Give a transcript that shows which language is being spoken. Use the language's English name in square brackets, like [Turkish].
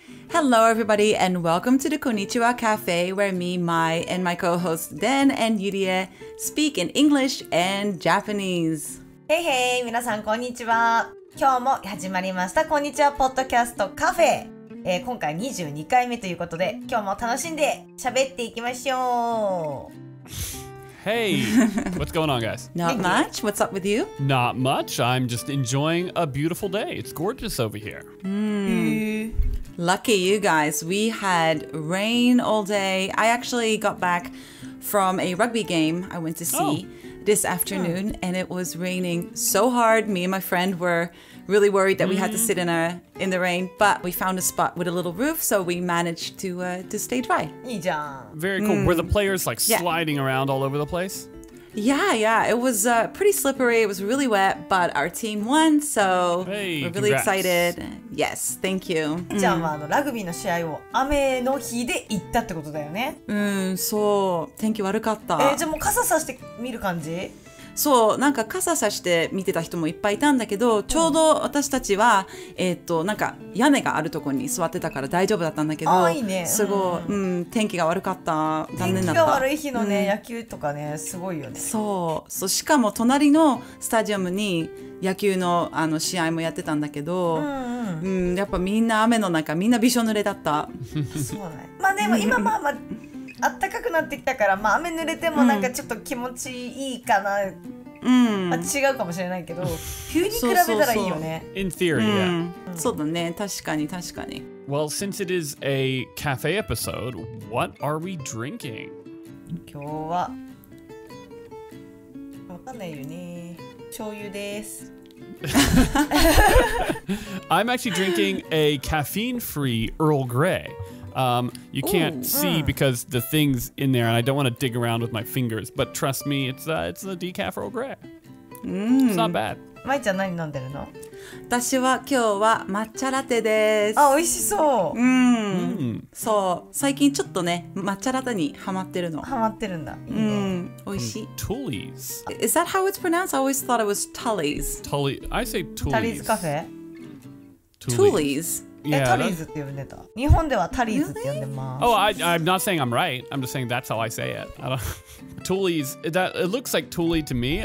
[English] Hello, everybody, and welcome to the Konnichiwa Cafe, where me, Mai, and my co-host Den and Yurie speak in English and Japanese. [Japanese] Hey, hey, 皆さんこんにちは。今日も始まりました、こんにちは、ポッドキャストカフェ。今回22回目ということで、今日も楽しんで喋っていきましょう。 [English] Hey, what's going on, guys? Not much. What's up with you? Not much. I'm just enjoying a beautiful day. It's gorgeous over here. Lucky you guys. We had rain all day. I actually got back from a rugby game I went to see this afternoon, and it was raining so hard. Me and my friend were really worried that we had to sit in the rain, but we found a spot with a little roof, so we managed to stay dry. Very cool. Were the players like sliding around all over the place? Yeah. It was pretty slippery. It was really wet, but our team won, so hey, we're really excited. Yes, thank you. [Japanese] じゃあ、ラグビーの試合を雨の日で行ったってことだよね。そう。天気悪かった。じゃあもう傘さして見る感じ？そう、なんか傘さして見てた人もいっぱいいたんだけど、ちょうど私たちは、なんか屋根があるところに座ってたから大丈夫だったんだけど、いいね、すごい、天気が悪かった、残念だった。天気が悪い日のね、野球とかね、すごいよね。そう、そう、しかも隣のスタジアムに野球の、あの試合もやってたんだけど、やっぱみんな雨の中、みんなびしょ濡れだった。そうね。まあでも今まあまあ、暖かくなってきたから、まあ、雨濡れてもなんかちょっと気持ちいいかな、違うかもしれないけど冬に比べたらいいよね。 [English] In theory, yeah. [Japanese] そうだね、確かに確かに。 [English] Well, since it is a cafe episode, what are we drinking? [Japanese] 今日はわかんないよね、醤油です。 [English] I'm actually drinking a caffeine-free Earl Grey. You can't see because the thing's in there, and I don't want to dig around with my fingers. But trust me, it's a decaf Earl Grey. It's not bad. [Japanese] Mai ちゃん何飲んでるの？私は今日は抹茶ラテです。あ、美味しそう。そう、最近ちょっとね、抹茶ラテにハマってるの。ハマってるんだ。美味しい。 [English] Tully's. Is that how it's pronounced? I always thought it was Tully's. Tully. I say Tully's. Tully's Cafe. Tully's. [Japanese] Yeah. Tully's って呼んでた。日本ではTully'sって呼んでます。 [English] Oh, I'm not saying I'm right. I'm just saying that's how I say it. I don't. Tully's. That it looks like Tully to me.